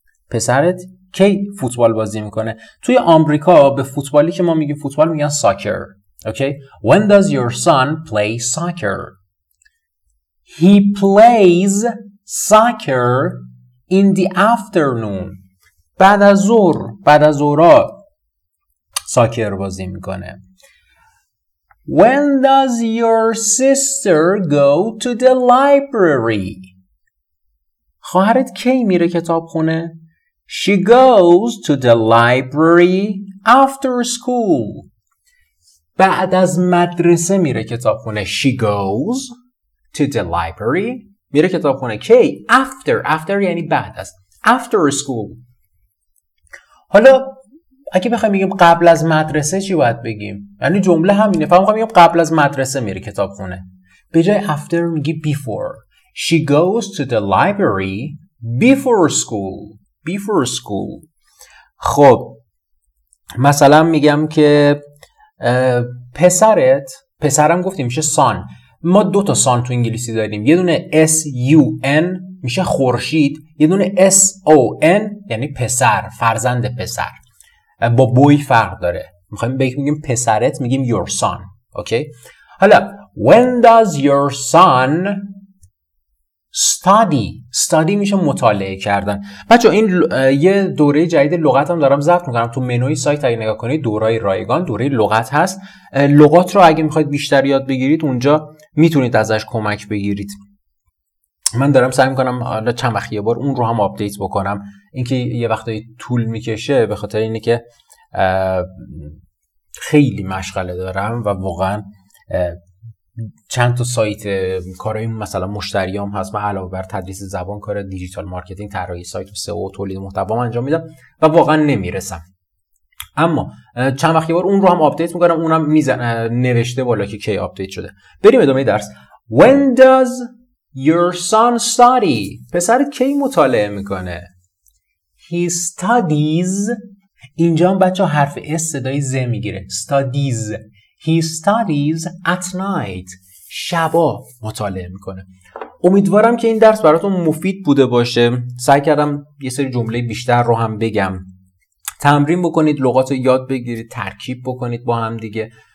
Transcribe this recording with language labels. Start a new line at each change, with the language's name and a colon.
Persian: پسرت کی فوتبال بازی میکنه. توی آمریکا به فوتبالی که ما میگیم فوتبال میگن soccer.
English: Okay. When does your son play soccer. He plays soccer in the afternoon.
Persian: بعد از ظهر ساکر بازی میکنه.
English: When does your sister go to the library.
Persian: خواهرت کی میره کتاب خونه.
English: She goes to the library after school.
Persian: بعد از مدرسه میره کتاب خونه.
English: She goes to the library.
Persian: میره کتاب خونه کی. After یعنی بعد از.
English: After school.
Persian: حالا اگه بخوایم بگیم قبل از مدرسه چی باید بگیم؟ یعنی جمله همینه، فهم میخوام بگم قبل از مدرسه میره کتاب خونه، به جای after میگی before.
English: She goes to the library before school. Before school.
Persian: خب مثلا میگم که پسرت، پسرم گفتیم میشه son. ما دو تا son تو انگلیسی داریم، یه دونه S-U-N میشه خورشید، یه دونه S-O-N یعنی پسر، فرزند پسر، با بوی فرق داره. میخواییم بگیم پسرت، میگیم
English: your son. Okay? حالا when does your son study؟ study
Persian: میشه مطالعه کردن. بچه این یه دوره جدید لغت هم دارم ضبط میکنم تو منوی سایت، اگه نگاه کنید دورای رایگان دوره لغت هست، لغات رو اگه میخواید بیشتر یاد بگیرید اونجا میتونید ازش کمک بگیرید. من دارم سعی میکنم حالا چند وقت یه بار اون رو هم آپدیت بکنم، اینکه یه وقتایی طول میکشه به خاطر اینه که خیلی مشغله دارم و واقعا چند تا سایت کارهای مثلا مشتریام هست و علاوه بر تدریس زبان کار دیجیتال مارکتینگ طراحی سایت و SEO و تولید محتوا انجام میدم و واقعا نمیرسم. اما چند وقت یه بار اون رو هم آپدیت میکنم، اونم میزنه نوشته بالا که کی آپدیت شده. بریم ادامه درس.
English: When does your son study؟
Persian: پسرت کی مطالعه میکنه؟
English: He studies.
Persian: اینجا بچه حرف S صدای Z میگیره.
English: Studies. He studies at night.
Persian: شبا مطالعه میکنه. امیدوارم که این درس براتون مفید بوده باشه. سعی کردم یه سری جمله بیشتر رو هم بگم. تمرین بکنید، لغات رو یاد بگیرید، ترکیب بکنید با هم دیگه.